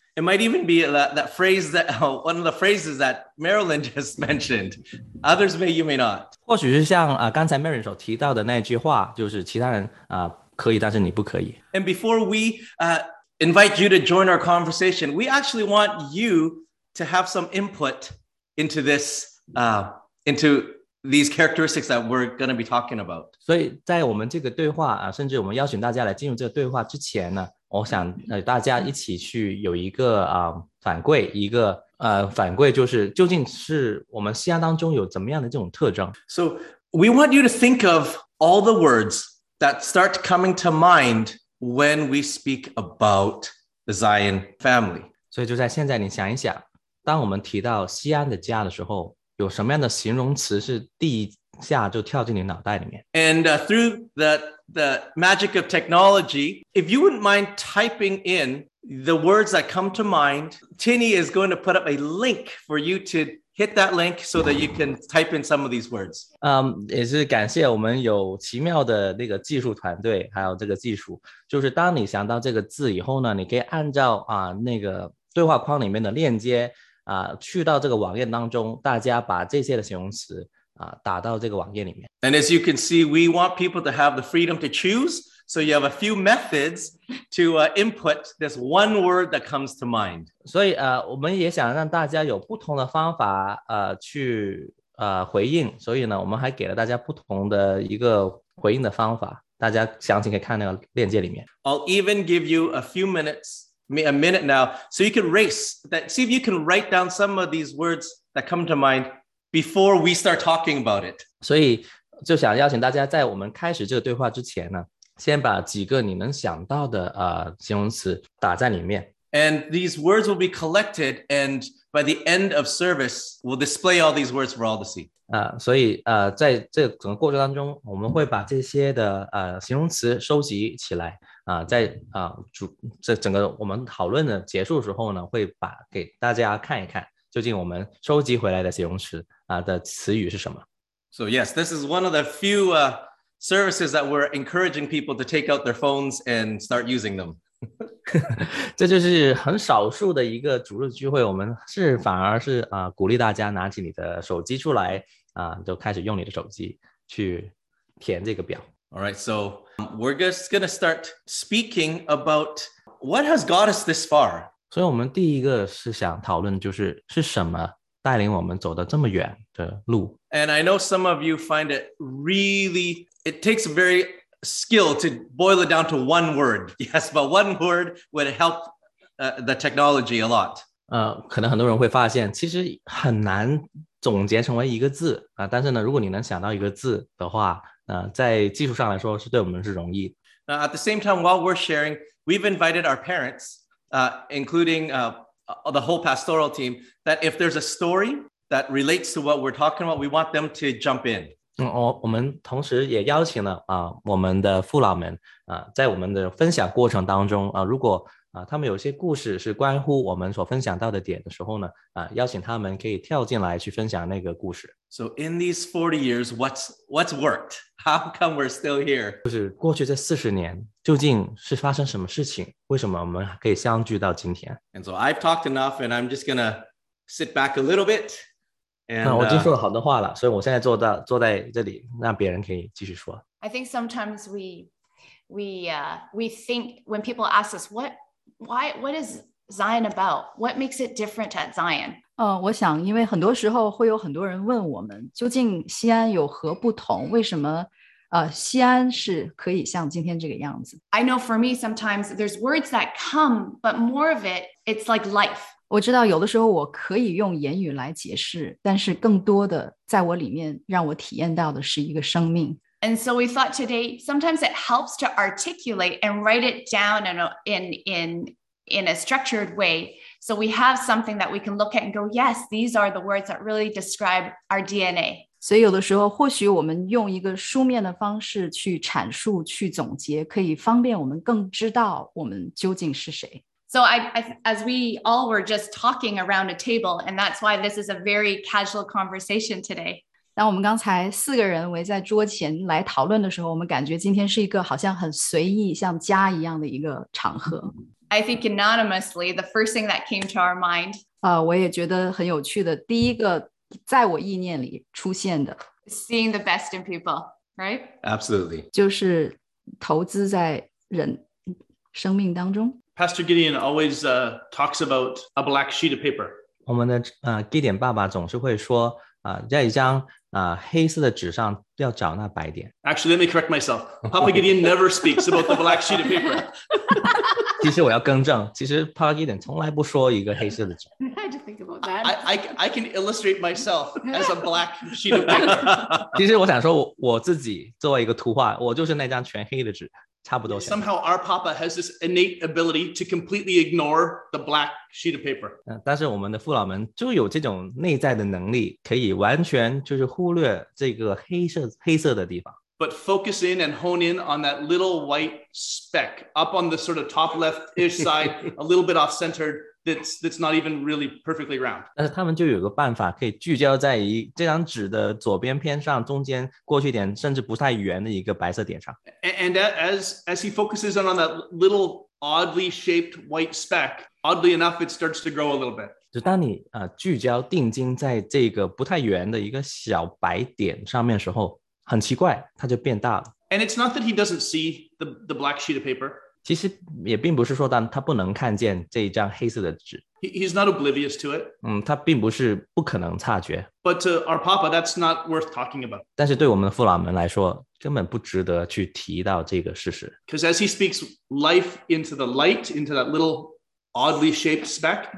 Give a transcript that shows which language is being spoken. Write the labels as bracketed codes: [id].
[en] It might even be that phrase that one of the phrases that Marilyn just mentioned. Others may, you may not. [zh] 或许是像刚才 Marilyn 所提到的那句话，就是其他人可以，但是你不可以。 [en] And before we invite you to join our conversation, we actually want you to have some input into this these characteristics that we're going to be talking about. [zh] 所以在我们这个对话甚至我们邀请大家来进入这个对话之前呢，我想大家一起去有一个反馈，一个反馈就是究竟是我们信仰当中有怎么样的这种特征。 [en] So we want you to think of all the words that start coming to mind when we speak about the Zion family. [zh] 所以就在现在你想一想，当我们提到西安的家的时候，有什么样的形容词是第一下就跳进你脑袋里面？ [en] And through the magic of technology, if you wouldn't mind typing in the words that come to mind, Tinny is going to put up a link for you to hit that link so that you can type in some of these words. [zh] 也是感谢我们有奇妙的那个技术团队，还有这个技术，就是当你想到这个字以后呢，你可以按照那个对话框里面的链接去到这个网页当中，大家把这些的形容词打到这个网页里面。 [en] And as you can see, we want people to have the freedom to choose, so you have a few methods to input this one word that comes to mind. [zh] 所以我们也想让大家有不同的方法去回应，所以呢，我们还给了大家不同的一个回应的方法，大家详情可以看那个链接里面。 [en] I'll even give you a few minutes. A minute now, so you can race that. See if you can write down some of these words that come to mind before we start talking about it. [zh] 所以就想邀请大家在我们开始这个对话之前呢，先把几个你能想到的形容词打在里面。 [en] And these words will be collected, and by the end of service, we'll display all these words for all to see. [zh] 所以在这整个过程当中，我们会把这些的形容词收集起来。在这整个我们讨论的结束的时候呢，会把给大家看一看究竟我们收集回来的形容词的词语是什么。 [en] So yes, this is one of the few services that we're encouraging people to take out their phones and start using them. [zh] 这就是很少数的一个主日聚会，我们是反而是鼓励大家拿起你的手机出来就开始用你的手机去填这个表。 [en] All right, soWe're just going to start speaking about what has got us this far. [zh] 所以我们第一个是想讨论就是是什么带领我们走到这么远的路。 [en] And I know some of you find it really, it takes very skill to boil it down to one word. Yes, but one word would help the technology a lot. [zh] 可能很多人会发现其实很难总结成为一个字啊，但是呢如果你能想到一个字的话在技术上来说是对我们是容易。 [en] Now, at the same time, while we're sharing, we've invited our parents, including the whole pastoral team, that if there's a story that relates to what we're talking about, we want them to jump in. [zh] 我们同时也邀请了我们的父老们在我们的分享过程当中如果他们有些故事是关乎我们所分享到的点的时候呢邀请他们可以跳进来去分享那个故事。 [en] So in these 40 years, what's worked? How come we're still here? [zh] 就是过去这40年究竟是发生什么事情为什么我们可以相聚到今天 [en] And so I've talked enough and I'm just gonna sit back a little bit. And, [zh] 我已经说了好多话了所以我现在坐在这里让别人可以继续说。 [en] I think sometimes we think when people ask us what is Zion about? What makes it different at Zion? [zh] 我想因为很多时候会有很多人问我们究竟西安有何不同为什么西安是可以像今天这个样子 [en] I know for me sometimes there's words that come but more of it, it's like life [zh] 我知道有的时候我可以用言语来解释但是更多的在我里面让我体验到的是一个生命 [en] And so we thought today, sometimes it helps to articulate and write it down in a structured way. So we have something that we can look at and go, yes, these are the words that really describe our DNA. [zh] 所以有的时候或许我们用一个书面的方式去阐述去总结可以方便我们更知道我们究竟是谁。 [en] So as we all were just talking around a table, and that's why this is a very casual conversation today. [zh] 那我们刚才四个人围在桌前来讨论的时候我们感觉今天是一个好像很随意像家一样的一个场合 [en] I think anonymously the first thing that came to our mind [zh] 我也觉得很有趣的第一个在我意念里出现的 [en] Seeing the best in people, right? Absolutely [zh] 就是投资在人生命当中 [en] Pastor Gideon always talks about a black sheet of paper [zh] 我们的Gideon 爸爸总是会说在一张黑色的纸上要找那白点。 [en] Actually, let me correct myself. Papa Gideon never speaks about the black sheet of paper. [zh] 其实我要更正，其实 Papa Gideon 从来不说一个黑色的纸。 [en] I had to think about that. I can illustrate myself as a black sheet of paper. [zh] 其实我想说我自己作为一个图画，我就是那张全黑的纸，差不多。 [en] Somehow our Papa has this innate ability to completely ignore the black sheet of paper. [zh] 但是我们的父老们就有这种内在的能力，可以完全就是忽略这个黑色的地方。 [en] But focus in and hone in on that little white speck up on the sort of top left-ish side, a little bit off-centered, that's not even really perfectly round. [zh] 但是他们就有个办法可以聚焦在这张纸的左边偏上中间过去点甚至不太圆的一个白色点上。 [en] And as he focuses in on that little oddly shaped white speck, oddly enough, it starts to grow a little bit. [zh] 就当你聚焦定睛在这个不太圆的一个小白点上面的时候很奇怪它就变大了 [en] And it's not that he doesn't see the black sheet of paper [zh] 其实也并不是说他不能看见这一张黑色的纸 [en] He's not oblivious to it [zh] 他并不是不可能察觉 [en] But to our papa that's not worth talking about [zh] 但是对我们的父老们来说根本不值得去提到这个事实 [en] Because as he speaks life into the light into that littleoddly shaped speck